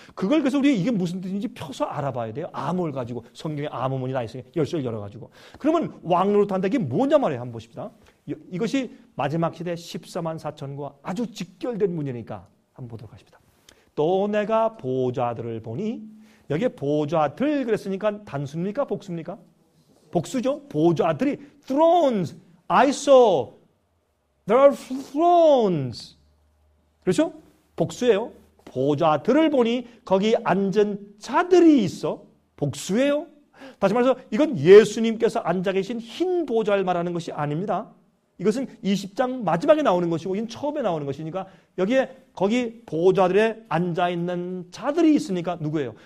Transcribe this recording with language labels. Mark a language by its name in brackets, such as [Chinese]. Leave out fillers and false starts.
[Korean] 그걸 그래서 우리 이게 무슨 뜻인지 펴서 알아봐야 돼요. 암호를 가지고 성경에 암호문이 나 있어요. 열쇠를 열어가지고. 그러면 왕으로 탄다 이게 뭐냐 말이에요. 한번 보십시다. 이것이 마지막 시대 14만 4천과 아주 직결된 문제니까 한번 보도록 하십시다. 또 내가 보좌들을 보니 여기에 보좌들 그랬으니까 단수입니까? 복수입니까? 복수죠. [English] 보좌들이 thrones I saw. There are thrones. [Korean] 그렇죠? 복수예요. 보좌들을 보니 거기 앉은 자들이 있어. 복수예요. 다시 말해서 이건 예수님께서 앉아계신 흰 보좌를 말하는 것이 아닙니다. 이것은 20장 마지막에 나오는 것이고 이건 처음에 나오는 것이니까 여기에 거기 보좌들에 앉아있는 자들이 있으니까 누구예요?